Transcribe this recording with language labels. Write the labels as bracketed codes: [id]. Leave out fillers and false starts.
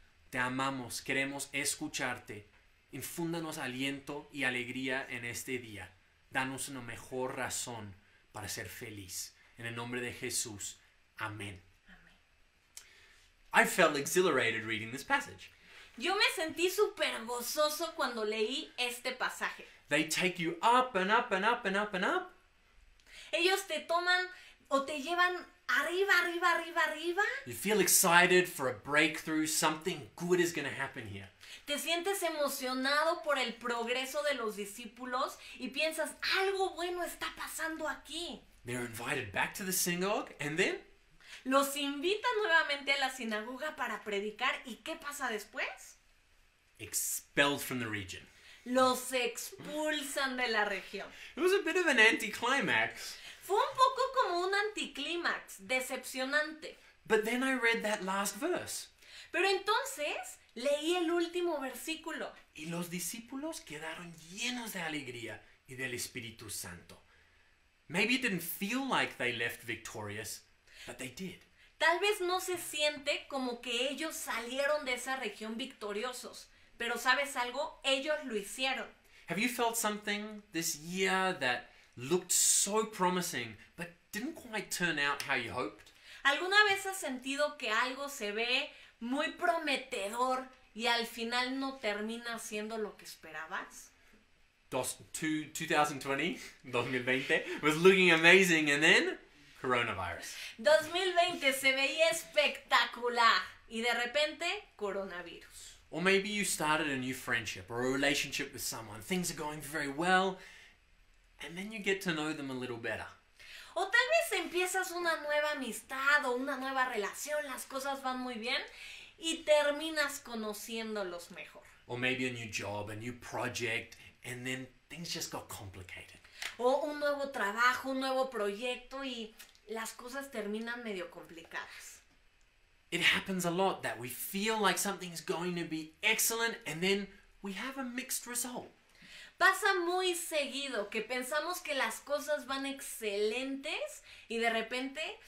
[es] Te amamos, queremos escucharte. Infúndanos aliento y alegría en este día. Danos una mejor razón para ser feliz. En el nombre de Jesús. Amén. Amén. [en] I felt exhilarated reading this passage. [es] Yo me sentí súper gozoso cuando leí este pasaje. [en] They take you up and up and up and up and up. [es] Ellos te toman o te llevan arriba, arriba, arriba, arriba. [en] You feel excited for a breakthrough. Something good is going to happen here. [es] Te sientes emocionado por el progreso de los discípulos y piensas, algo bueno está pasando aquí. [en] They're invited back to the synagogue and then? [es] Los invitan nuevamente a la sinagoga para predicar. ¿Y qué pasa después? [en] Expelled from the region. [es] Los expulsan de la región. [en] It was a bit of an anticlimax. [es] Fue un poco como un anticlimax, decepcionante. [en] But then I read that last verse. [es] Pero entonces leí el último versículo. Y los discípulos quedaron llenos de alegría y del Espíritu Santo. [en] Maybe it didn't feel like they left victorious, but they did. [es] Tal vez no se siente como que ellos salieron de esa región victoriosos, pero ¿sabes algo? Ellos lo hicieron. [en] Have you felt something this year that looked so promising, but didn't quite turn out how you hoped? [es] ¿Alguna vez has sentido que algo se ve muy prometedor y al final no termina siendo lo que esperabas? [en] 2020 was looking amazing and then coronavirus. [es] 2020 se veía espectacular y de repente coronavirus. [en] Or maybe you started a new friendship or a relationship with someone. Things are going very well. And then you get to know them a little better. [es] O tal vez empiezas una nueva amistad o una nueva relación, las cosas van muy bien y terminas conociéndolos mejor. [en] Or maybe a new job, a new project, and then things just got complicated. [es] O un nuevo trabajo, un nuevo proyecto y las cosas terminan medio complicadas. [en] It happens a lot that we feel like something's going to be excellent and then we have a mixed result. [es] Pasa muy seguido que pensamos que las cosas van excelentes y de repente